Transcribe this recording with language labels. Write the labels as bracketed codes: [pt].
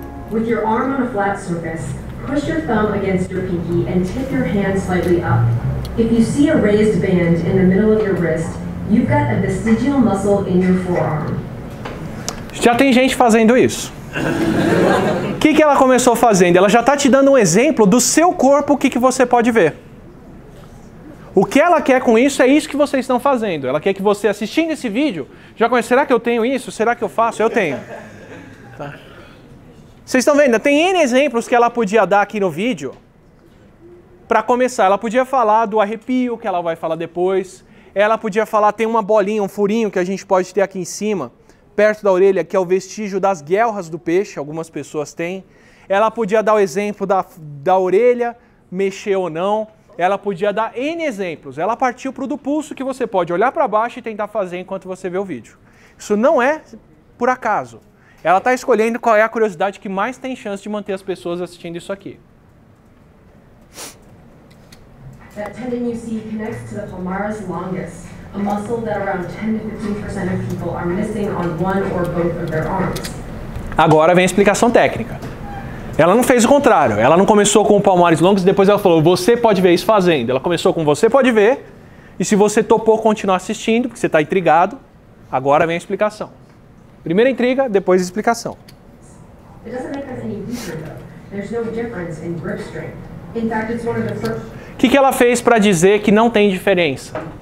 [en] With your arm on a flat surface, push your thumb against your pinky and tip your hand slightly up. If you see a raised band in the middle of your wrist, you've got a vestigial muscle in your forearm. [pt] Já tem gente fazendo isso. O que ela começou fazendo? Ela já está te dando um exemplo do seu corpo, o que você pode ver. O que ela quer com isso é isso que vocês estão fazendo. Ela quer que você, assistindo esse vídeo, já conheça, será que eu tenho isso? Será que eu faço? Eu tenho. Tá. Vocês estão vendo? Tem N exemplos que ela podia dar aqui no vídeo. Para começar, ela podia falar do arrepio, que ela vai falar depois. Ela podia falar, tem uma bolinha, um furinho que a gente pode ter aqui em cima, perto da orelha, que é o vestígio das guelras do peixe, algumas pessoas têm. Ela podia dar o exemplo da orelha, mexer ou não. Ela podia dar N exemplos. Ela partiu pro do pulso, que você pode olhar para baixo e tentar fazer enquanto você vê o vídeo. Isso não é por acaso. Ela está escolhendo qual é a curiosidade que mais tem chance de manter as pessoas assistindo isso aqui. [en] that tendon you see connects to the palmaris longus, a muscle that around 10-15% of people are missing on one or both of their arms. [pt] Agora vem a explicação técnica. Ela não fez o contrário. Ela não começou com o palmares longos e depois ela falou, você pode ver isso fazendo. Ela começou com você pode ver. E se você topou continuar assistindo, porque você está intrigado, agora vem a explicação. Primeira intriga, depois a explicação. O que ela fez para dizer que não tem diferença?